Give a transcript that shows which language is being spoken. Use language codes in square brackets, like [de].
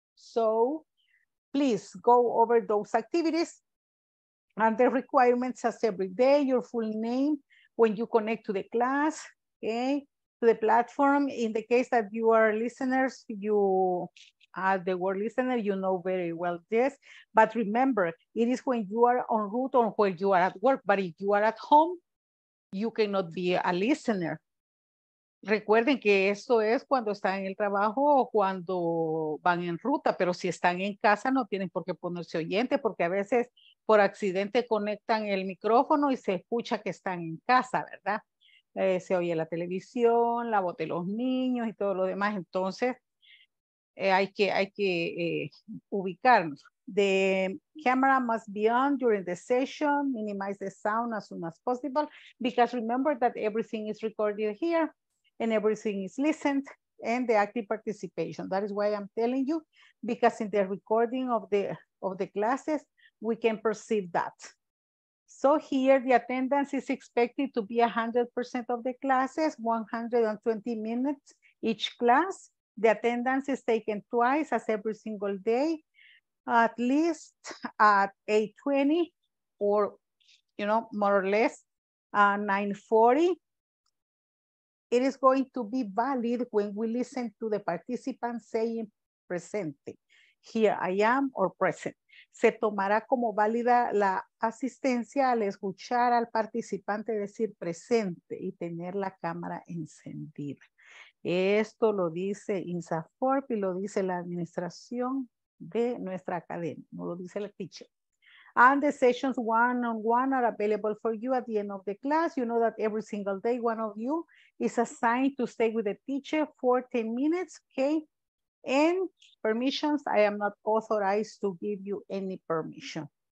[en] So please go over those activities and the requirements as every day, your full name, when you connect to the class, okay, to the platform. In the case that you are listeners, you are the word listener, you know very well this. But remember, it is when you are en route or when you are at work. But if you are at home, you cannot be a listener. [es] Recuerden que esto es cuando están en el trabajo o cuando van en ruta, pero si están en casa no tienen por qué ponerse oyente, porque a veces por accidente conectan el micrófono y se escucha que están en casa, ¿verdad? Se oye la televisión, la voz de los niños y todo lo demás. Entonces hay que ubicarnos. [en] The camera must be on during the session, minimize the sound as soon as possible, because remember that everything is recorded here and everything is listened and the active participation. That is why I'm telling you, because in the recording of the classes, we can perceive that. So here the attendance is expected to be 100% of the classes, 120 minutes each class. The attendance is taken twice as every single day, at least at 8:20 or, you know, more or less 9:40. It is going to be valid when we listen to the participants saying presente, here I am or present. [es] Se tomará como válida la asistencia al escuchar al participante decir presente y tener la cámara encendida. Esto lo dice INSAFORP y lo dice la administración de nuestra academia, no lo dice la teacher. [en] And the sessions one-on-one are available for you at the end of the class. You know that every single day, one of you is assigned to stay with the teacher for 10 minutes, okay? And permissions, I am not authorized to give you any permission.